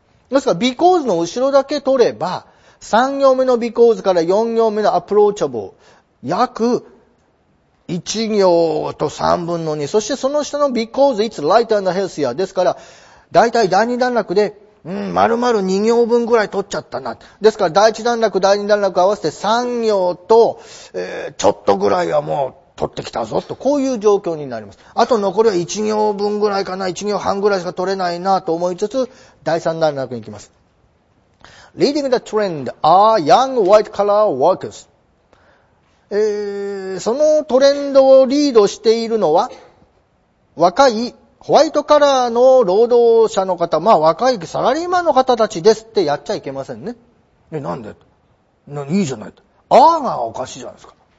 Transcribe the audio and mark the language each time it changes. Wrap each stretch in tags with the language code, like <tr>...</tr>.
<ja>ですから、because の後ろだけ取れば、3行目の because から4行目の approachable、約1行と3分の2、そしてその下の</ja> <en>because it's lighter and healthier</en> <ja>ですから、だいたい第2段落で、丸々2行分ぐらい取っちゃったな。ですから、第1段落、第2段落合わせて3行と、ちょっとぐらいはもう、取ってきたぞと、こういう状況になります。あと残りは1行分ぐらいかな、1行半ぐらいしか取れないなと思いつつ、第3段落に行きます。</ja> <en>Leading the trend are young white collar workers.</en> <ja>そのトレンドをリードしているのは、若いホワイトカラーの労働者の方、まあ若いサラリーマンの方たちですって、やっちゃいけませんね。え、なんで？何、いいじゃないと。あーがおかしいじゃないですか。</ja>